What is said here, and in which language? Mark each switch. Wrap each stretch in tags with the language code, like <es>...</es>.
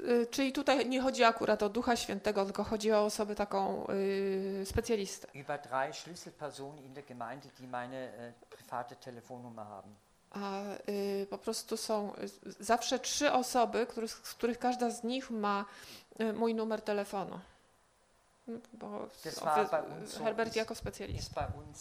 <pl>Czyli tutaj nie chodzi akurat o Ducha Świętego, tylko chodzi o osobę taką specjalistę.</pl> <de>Über drei Schlüsselpersonen in der Gemeinde, die meine private Telefonnummer haben.</de> <pl>A po prostu są zawsze trzy osoby, z których każda z nich ma mój numer telefonu. Bo Herbert jako specjalista.</pl>